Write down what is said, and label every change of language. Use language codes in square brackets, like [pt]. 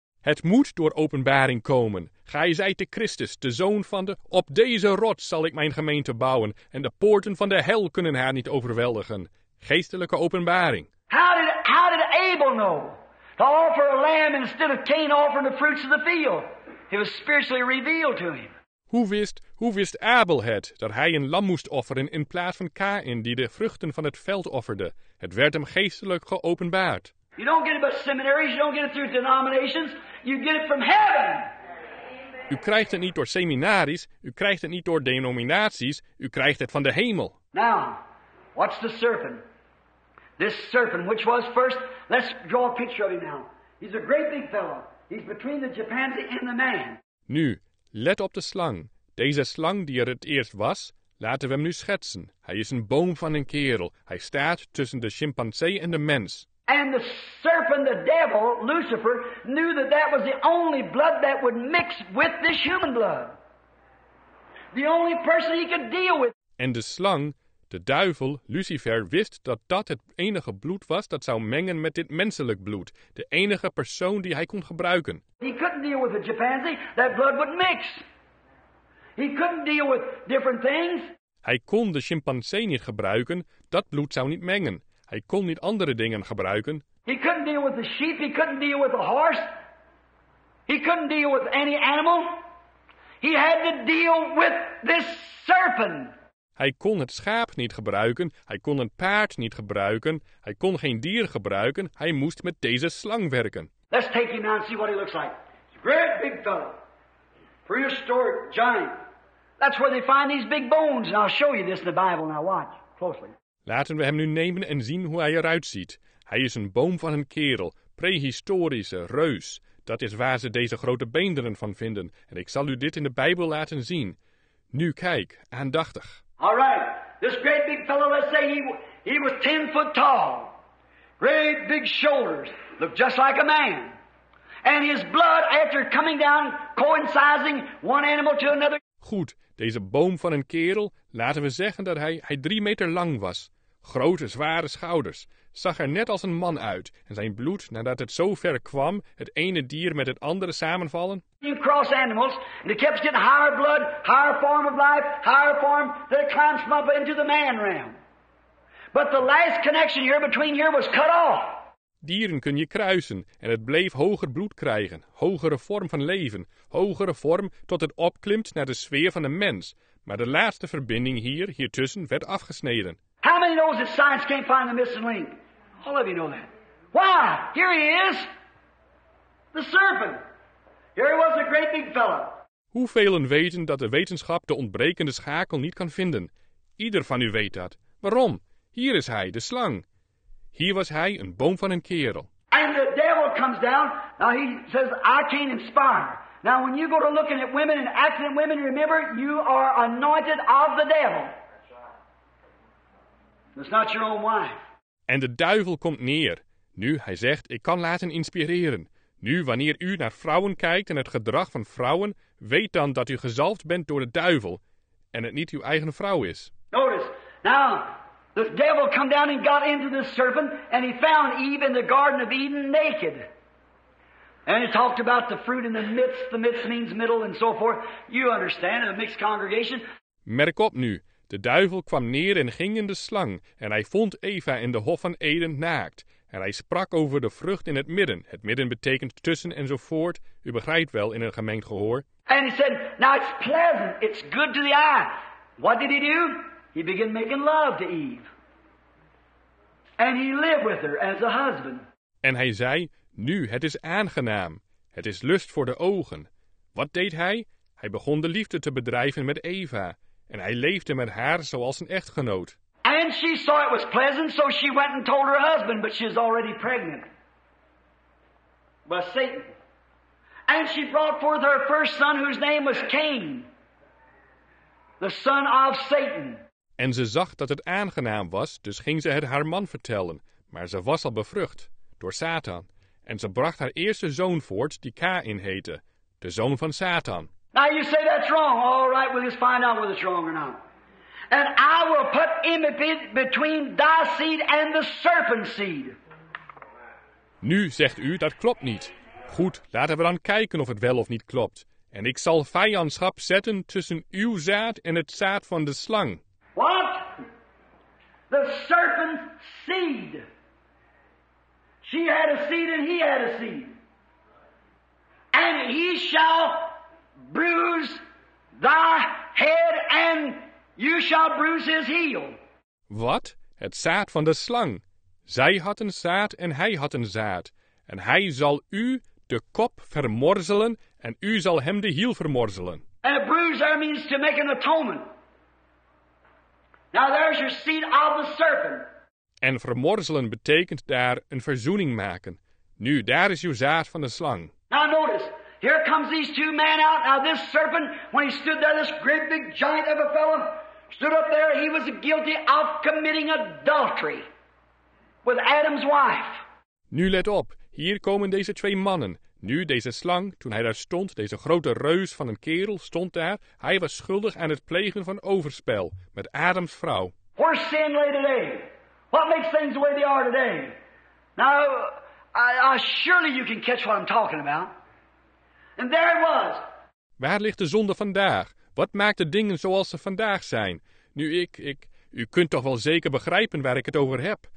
[nl] Het moet door openbaring komen. Gij zijt de Christus, de Zoon van de... Op deze rots zal ik mijn gemeente bouwen en de poorten van de hel kunnen haar niet overweldigen. Geestelijke openbaring. [en] How did Abel know to offer a lamb instead of Cain offering the fruits of the field? It was spiritually revealed to him. [nl] Hoe wist Abel het, dat hij een lam moest offeren in plaats van Kain die de vruchten van het veld offerde? Het werd hem geestelijk geopenbaard. [en] You don't get it by seminaries, you don't get it through denominations, you get it from heaven. [nl] U krijgt het niet door seminaries, u krijgt het niet door denominaties, u krijgt het van de hemel. [en] Now, watch the serpent. This serpent, which was first, let's draw a picture of him now. He's a great big fellow. He's between the chimpanzee and the man. [nl] Nu, let op de slang. Deze slang die er het eerst was, laten we hem nu schetsen. Hij is een boom van een kerel. Hij staat tussen de chimpansee en de mens. [en] And the serpent, the devil, Lucifer, knew that that was the only blood that would mix with this human blood. The only person he could deal with. [nl] En de slang, de duivel, Lucifer, wist dat dat het enige bloed was dat zou mengen met dit menselijk bloed. De enige persoon die hij kon gebruiken. [en] He couldn't deal with a chimpanzee. That blood would mix. He couldn't deal with different things. [nl] Hij kon de chimpansee niet gebruiken. Dat bloed zou niet mengen. Hij kon niet andere dingen gebruiken. [en] He couldn't deal with the sheep, he couldn't deal with the horse. He couldn't deal with any animal. He had to deal with this serpent. [nl] Hij kon het schaap niet gebruiken, hij kon een paard niet gebruiken, hij kon geen dier gebruiken, hij moest met deze slang werken. [en] Let's take him now and see what he looks like. It's a great big fellow. Prehistoric giant. That's where they find these big bones. And I'll show you this in the Bible. Now watch closely. [nl] Laten we hem nu nemen en zien hoe hij eruit ziet. Hij is een boom van een kerel, prehistorische reus. Dat is waar ze deze grote beenderen van vinden. En ik zal u dit in de Bijbel laten zien. Nu kijk, aandachtig. [en] All right, this great big fellow, let's say he was 10 foot tall. Great big shoulders, looked just like a man. And his blood, after coming down, coincising one animal to another. [nl] Goed, deze boom van een kerel, laten we zeggen dat hij 3 meter lang was. Grote, zware schouders. Zag er net als een man uit. En zijn bloed, nadat het zo ver kwam, het ene dier met het andere samenvallen. [en] You cross animals, and it kept getting higher blood, higher form of life, higher form, that it climbs up into the man realm. But the last connection here between here was cut off. [nl] Dieren kun je kruisen en het bleef hoger bloed krijgen, hogere vorm van leven, hogere vorm tot het opklimt naar de sfeer van de mens. Maar de laatste verbinding hier tussen, werd afgesneden. [en] How many knows that science can't find the missing link? All of you know that. Why? Here he is. The serpent. Here he was, a great big fella. [nl] Hoeveelen weten dat de wetenschap de ontbrekende schakel niet kan vinden? Ieder van u weet dat. Waarom? Hier is hij, de slang. Hier was hij, een boom van een kerel. [en] And the devil comes down. Now he says, I can't inspire. Now when you go to looking at women and acting at women, remember, you are anointed of the devil. It's not your own wife. [nl] En de duivel komt neer. Nu, hij zegt, ik kan laten inspireren. Nu, wanneer u naar vrouwen kijkt en het gedrag van vrouwen, weet dan dat u gezalfd bent door de duivel en het niet uw eigen vrouw is. [en] Notice, now... The devil come down and got into the serpent, and he found Eve in the Garden of Eden naked. And he talked about the fruit in the midst. The midst means middle and so forth. You understand, a mixed congregation. [nl] Merk op nu. De duivel kwam neer en ging in de slang, en hij vond Eva in de Hof van Eden naakt. En hij sprak over de vrucht in het midden. Het midden betekent tussen enzovoort. U begrijpt wel in een gemengd gehoor. [en] And he said, now it's pleasant. It's good to the eye. What did he do? He began making love to Eve. And he lived with her as a husband. [nl] En hij zei, nu het is aangenaam. Het is lust voor de ogen. Wat deed hij? Hij begon de liefde te bedrijven met Eva. En hij leefde met haar zoals een echtgenoot. [en] And she saw it was pleasant, so she went and told her husband, but she was already pregnant. By Satan. And she brought forth her first son, whose name was Cain. The son of Satan. [nl] En ze zag dat het aangenaam was, dus ging ze het haar man vertellen. Maar ze was al bevrucht, door Satan. En ze bracht haar eerste zoon voort, die Kain heette, de zoon van Satan. [en] Now you say that's wrong. All right, we'll just find out whether it's wrong or not. And I will put enmity between thy seed and the serpent's seed. [nl] Nu zegt u, dat klopt niet. Goed, laten we dan kijken of het wel of niet klopt. En ik zal vijandschap zetten tussen uw zaad en het zaad van de slang. [en] What? The serpent's seed. She had a seed and he had a seed. And he shall bruise thy head and you shall bruise his heel. [nl] Wat? Het zaad van de slang. Zij had een zaad en hij had een zaad. En hij zal u de kop vermorzelen en u zal hem de hiel vermorzelen. [en] And a bruise there means to make an atonement. Now there's your seed of the serpent. [nl] En vermorzelen betekent daar een verzoening maken. Nu, daar is uw zaad van de slang. [en] Now notice, here comes these two men out. Now this serpent, when he stood there, this great big giant of a fellow, stood up there, he was guilty of committing adultery with Adam's wife. [nl] Nu let op, hier komen deze twee mannen. Nu, deze slang, toen hij daar stond, deze grote reus van een kerel, stond daar. Hij was schuldig aan het plegen van overspel met Adams vrouw. [en] Where sin lay today? What makes things the way they are today? Now, I surely you can catch what I'm talking about. And there it was. [nl] Waar ligt de zonde vandaag? Wat maakt de dingen zoals ze vandaag zijn? Nu, u kunt toch wel zeker begrijpen waar ik het over heb.